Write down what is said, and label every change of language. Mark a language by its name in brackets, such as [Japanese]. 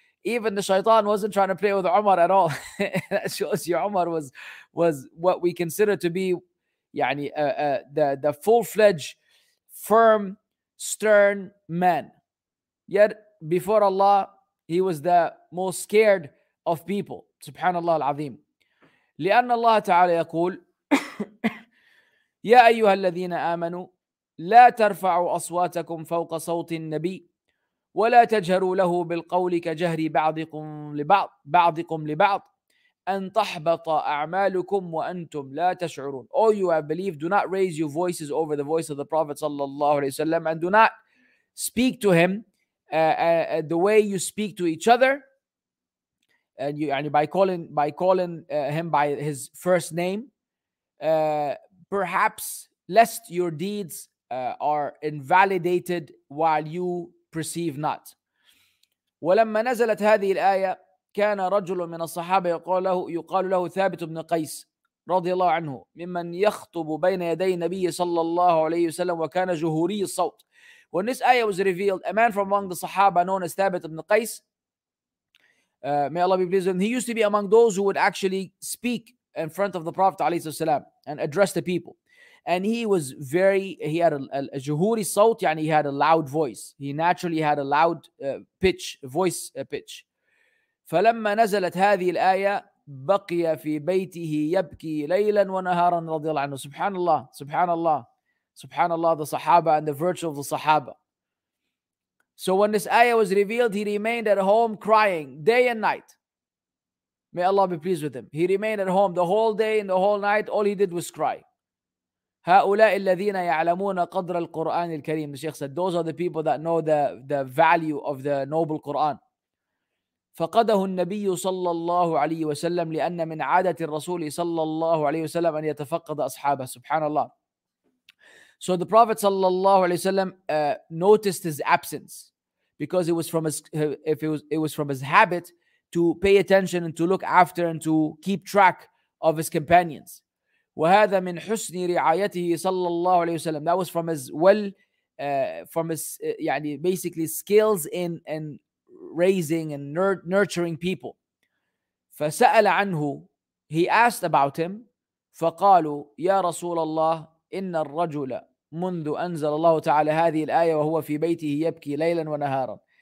[English] Even the shaitan wasn't trying to play with Umar at all. That shows you Umar was what we consider to be the full-fledged, firm, stern man. Yet before Allah, he was the most scared of people. [Arabic] Subhanallah al-Azim. لأن الله تعالى يقول يا أيها الذين آمنوا لا ترفعوا أصواتكم فوق صوت النبي ولا تجهروا له بالقول كجهر بعضكم لبعض أن تحبط أعمالكم وأنتم لا تشعرون. [English] All you have believed, do not raise your voices over the voice of the Prophet sallallahu alayhi wa sallam, and do not speak to him the way you speak to each other, and you, and by calling him by his first name, perhaps lest your deeds are invalidated while you perceive not. [Arabic] ولما نزلت هذه الآية كان رجل من الصحابة يقال له ثابت بن قيس رضي الله عنه ممن يخطب بين يدي النبي صلى الله عليه وسلم وكان جهوري الصوت. [English] When this ayah was revealed, a man from among the Sahaba known as Thabit ibn Qais, may Allah be pleased with him, he used to be among those who would actually speak in front of the Prophet عليه الصلاة والسلام and address the people. And he was he had a جهوري صوت, يعني he had a loud voice. He naturally had a loud voice pitch. [Arabic] فلما نزلت هذه الآية بقي في بيته يبكي ليلا ونهارا رضي الله عنه. [English] سبحان الله سبحان الله سبحان الله, the Sahaba and the virtue of the Sahaba. So when this ayah was revealed, he remained at home crying day and night. May Allah be pleased with him. He remained at home the whole day and the whole night. All he did was cry. هؤلاء الذين يعلمون قدر القرآن الكريم. The Sheikh said, those are the people that know the value of the noble Quran. [Arabic] فقده النبي صلى الله عليه وسلم لأن من عادة الرسول صلى الله عليه وسلم أن يتفقد أصحابه. سبحان الله. [English] So the Prophet صلى الله عليه وسلم noticed his absence because it was from his habit to pay attention and to look after and to keep track of his companions. [Arabic] وهذا من حسن رعايته صلى الله عليه وسلم. [English] That was from his يعني basically skills in raising and nurturing people. فسأل عنه, he asked about him. [Arabic] فقالوا يا رسول الله إن الرجل منذ أنزل الله تعالى هذه الآية وهو في بيته يبكي ليلا ونهارا.